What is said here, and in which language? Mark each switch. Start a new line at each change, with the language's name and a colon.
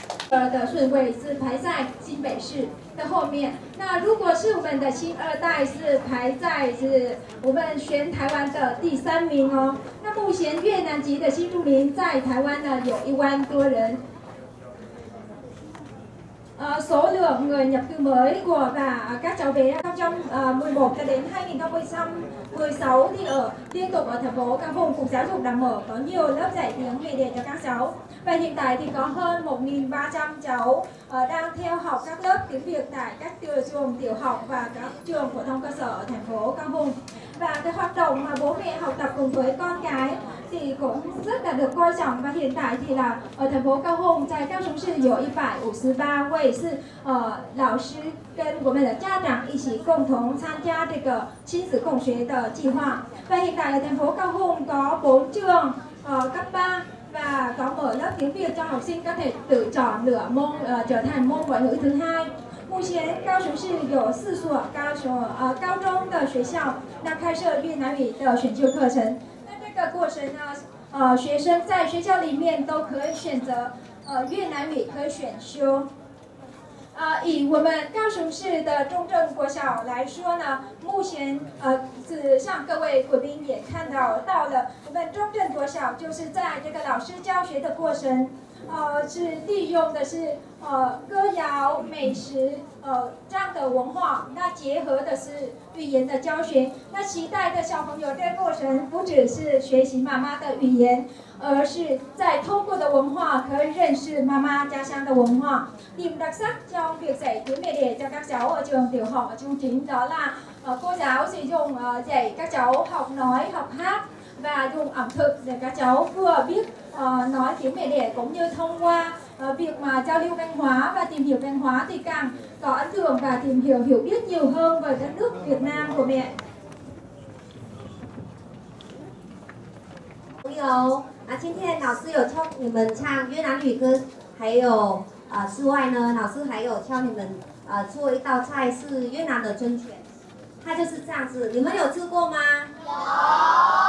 Chinese: 的顺位是排在新北市的后面，那如果是我们的新二代是排在是我们全台湾的第三名哦。那目前越南籍的新住民在台湾呢有一万多人。
Vietnamese: số lượng người nhập cư mới của và các cháu bé 2011 cho đến 2016 thì ở liên tục ở thành phố Cam Phong, cục giáo dục đã mở có nhiều lớp dạy tiếng Việt để cho các cháu. Và hiện tại thì có hơn 1.300 cháu đang theo học các lớp tiếng Việt tại các trường tiểu học và các trường phổ thông cơ sở ở thành phố Cam Phong. Và cái hoạt động mà bố mẹ học tập cùng với con cái thì cũng rất là được coi trọng. Và hiện tại thì là ở thành phố Cam Phong, tại Cam Phong thì có
Chinese: 153 位是老师跟我们的家长一起共同参加这个亲子共学的计划。那现在的天福高中
Vietnamese: có 4 trường cấp 3và có mở lớp tiếng Việt cho học sinh có thể tự chọn lựa môn trở thành môn ngoại ngữ thứ hai.
Chinese: 目前高雄市有四所高中的学校那开设越南语的选修课程。那这个过程呢学生在学校里面都可以选择越南语可以选修。以我们高雄市的中正国小来说呢，目前是像各位贵宾也看到了，我们中正国小就是在这个老师教学的过程，是利用的是歌谣、美食这样的文化，那结合的是语言的教学，那期待的小朋友这个过程不只是学习妈妈的语言。而是在通过的文化可以认识妈妈家乡的文化。
Vietnamese: Điểm đặc sắc trong việc dạy tiếng Việt cho các cháu ở trường tiểu học ở chương trình đó là cô giáo sử dụng dạy các cháu học nói, học hát và dùng ẩm thực để các cháu vừa biết nói tiếng Việt cũng như thông qua việc mà giao lưu văn hóa và tìm hiểu văn hóa thì càng có ấn tượng và tìm hiểu biết nhiều hơn về đất nước Việt Nam của mẹ.
English: Hello.
Chinese: 今天老师有教你们唱越南语歌，还有之外呢，老师还有教你们做一道菜是越南的春卷，它就是这样子。你们有吃过吗？有。